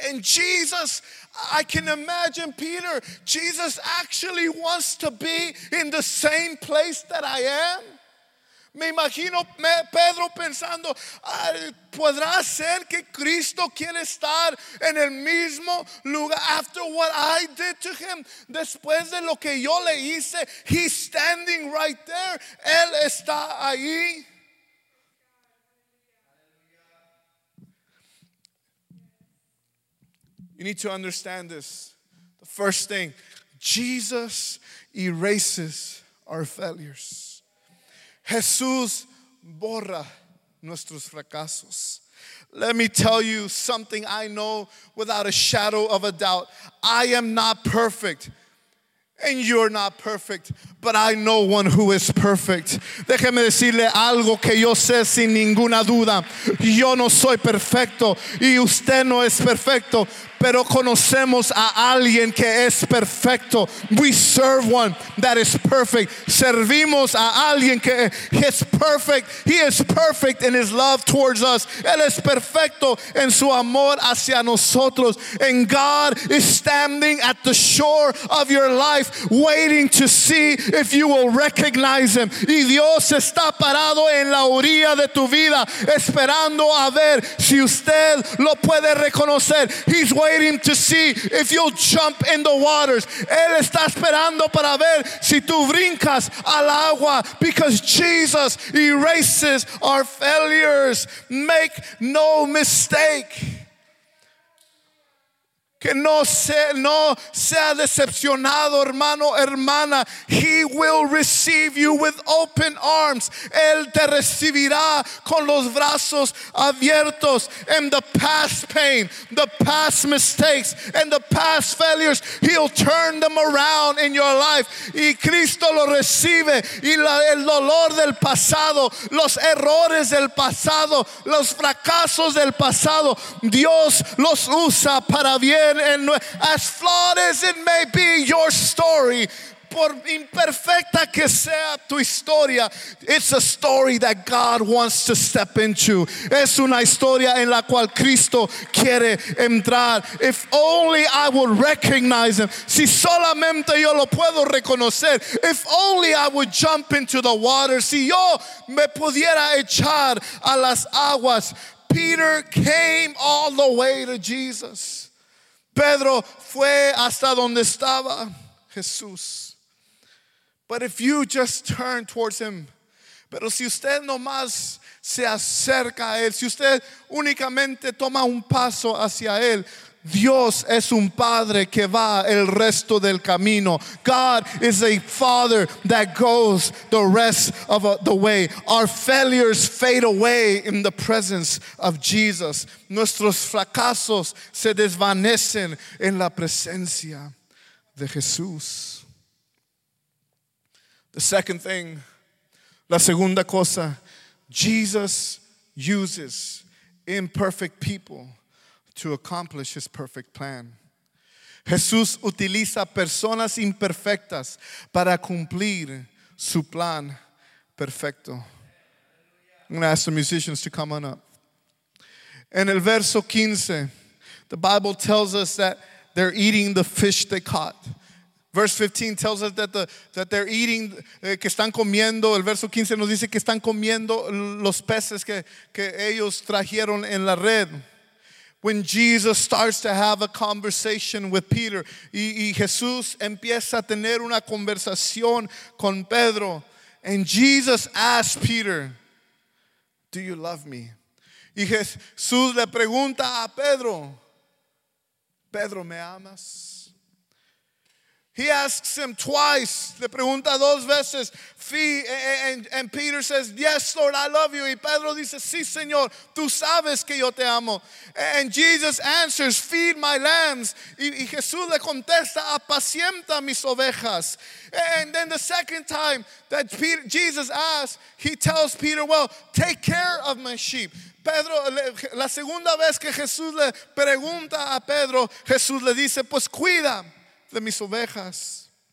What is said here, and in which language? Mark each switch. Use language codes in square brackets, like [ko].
[en] And Jesus, I can imagine Peter, Jesus actually wants to be in the same place that I am. [es] Me imagino Pedro pensando, ¿podrá ser que Cristo quiere estar en el mismo lugar? [en] After what I did to him, [es] después de lo que yo le hice, [en] he's standing right there. [es] Él está ahí. [en] You need to understand this. The first thing, Jesus erases our failures. [es] Jesús borra nuestros fracasos. [en] Let me tell you something I know without a shadow of a doubt. I am not perfect, and you're not perfect, but I know one who is perfect. [es] Déjeme decirle algo que yo sé sin ninguna duda. Yo no soy perfecto, y usted no es perfecto, pero conocemos a alguien que es perfecto. [en] We serve one that is perfect. [es] Servimos a alguien que es perfect. [en] He is perfect in his love towards us. [es] Él es perfecto en su amor hacia nosotros. [en] And God is standing at the shore of your life, waiting to see if you will recognize him. [es] Y Dios está parado en la orilla de tu vida, esperando a ver si usted lo puede reconocer. [en] He's waiting to see if you'll jump in the waters. [es] Él está esperando para ver si tú brincas al agua, [en] because Jesus erases our failures. Make no mistake. [es] Que no sea decepcionado, hermano, hermana. [en] He will receive you with open arms. [es] Él te recibirá con los brazos abiertos. [en] And the past pain, the past mistakes, and the past failures, he'll turn them around in your life. [es] Y Cristo lo recibe. Y el dolor del pasado, los errores del pasado, los fracasos del pasado, Dios los usa para bien. [en] And as flawed as it may be, your story, [es] por imperfecta que sea tu historia, [en] it's a story that God wants to step into. [es] Es una historia en la cual Cristo quiere entrar. [en] If only I would recognize him. [es] Si solamente yo lo puedo reconocer. [en] If only I would jump into the water. [es] Si yo me pudiera echar a las aguas. [en] Peter came all the way to Jesus. [es] Pedro fue hasta donde estaba Jesús. [en] But if you just turn towards him, [es] pero si usted nomás se acerca a él, si usted únicamente toma un paso hacia él, Dios es un padre que va el resto del camino. [en] God is a father that goes the rest of the way. Our failures fade away in the presence of Jesus. [es] Nuestros fracasos se desvanecen en la presencia de Jesús. [en] The second thing, [es] la segunda cosa, [en] Jesus uses imperfect people to accomplish his perfect plan. [es] Jesús utiliza personas imperfectas para cumplir su plan perfecto. [en] I'm going to ask the musicians to come on up. In [es] el verso 15, [en] the Bible tells us that they're eating the fish they caught. Verse 15 tells us that they're eating, [es] que están comiendo. El verso 15 nos dice que están comiendo los peces que ellos trajeron en la red. [en] When Jesus starts to have a conversation with Peter, [es] y Jesús empieza a tener una conversación con Pedro, [en] and Jesus asks Peter, "Do you love me?" [es] Y Jesús le pregunta a Pedro, "Pedro, ¿me amas?" [en] He asks him twice, [es] le pregunta dos veces, [en] and Peter says, "Yes, Lord, I love you." [es] Y Pedro dice, "Sí, Señor, tú sabes que yo te amo." [en] And Jesus answers, "Feed my lambs." [es] Y Jesús le contesta, "Apacienta mis ovejas." [en] And then the second time that Jesus asks, he tells Peter, "Well, take care of my sheep." [es] Pedro, la segunda vez que Jesús le pregunta a Pedro, Jesús le dice, "Pues cuida de mis ovejas."